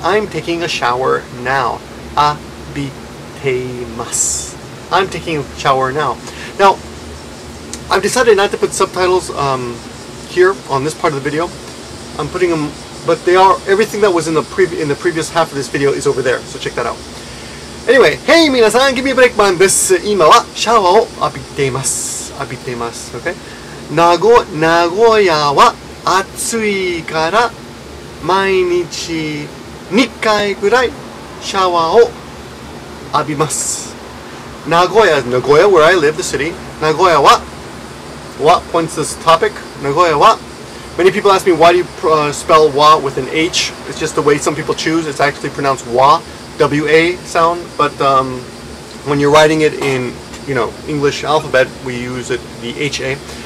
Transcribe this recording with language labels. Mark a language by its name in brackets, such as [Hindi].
[English] I'm taking a shower now. [Japanese] 浴びています. [English] I'm taking a shower now. Now,I've decided not to put subtitles here on this part of the video. I'm putting them, but they are, everything that was in the previous half of this video is over there, so check that out. Anyway, hey, [Japanese] Minnasan, Gimmeabreakman desu. 今はシャワーを浴びています。浴びています。 [English] Okay? [Japanese] 名古屋は暑いから毎日2回ぐらいシャワーを浴びます。 [English] Nagoya is Nagoya, where I live, the city. [Japanese] 名古屋は [English] Wa points this topic. Nagoya wa. Many people ask me, why do you spell wa with an H? It's just the way some people choose. It's actually pronounced wa, W-A sound. But when you're writing it in, you know, English alphabet, we use it, the H-A.